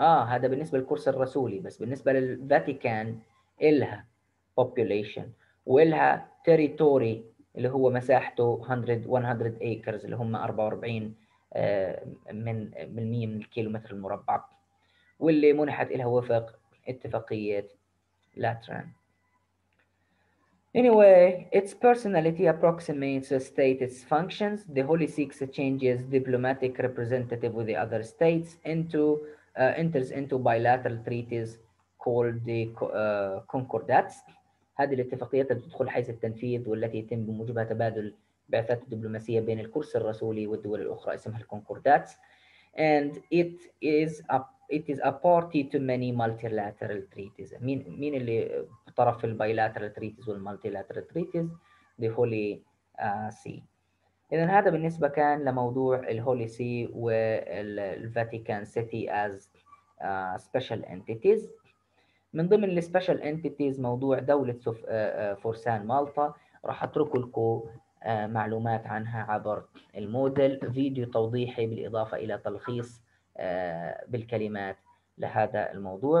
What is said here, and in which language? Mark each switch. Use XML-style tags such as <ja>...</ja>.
<ar>هذا بالنسبة للكرسي الرسولي، بس بالنسبة للفاتيكان إلها population وإلها territory اللي هو مساحته 100 acres اللي هم 44 من بالمية من الكيلومتر المربع، واللي منحت إلها وفق اتفاقية لاتران.</ar> <en>Anyway, its personality approximates a state, its functions. The Holy See exchanges diplomatic representative with the other states into enters into bilateral treaties called the concordats.</en> <ar>هذه الاتفاقيات التي تدخل حيز التنفيذ والتي يتم بموجبها تبادل بعثات الدبلوماسية بين الكرسي الرسولي والدول الأخرى اسمها الكونكوردات.</ar> <en>And it is a party to many multilateral treaties.</en> <ar>مين اللي طرف في البايلاترال تريتيز والمالتيلاترال تريتيز؟ The Holy See. إذن هذا بالنسبة كان لموضوع الهولي سي والفاتيكان سيتي</ar> <en>as special entities.</en> <ar>من ضمن السبيشال انتيتيز موضوع دولة فرسان مالطا، راح اترك لكم معلومات عنها عبر الموديل، فيديو توضيحي بالإضافة إلى تلخيص بالكلمات لهذا الموضوع.</ar>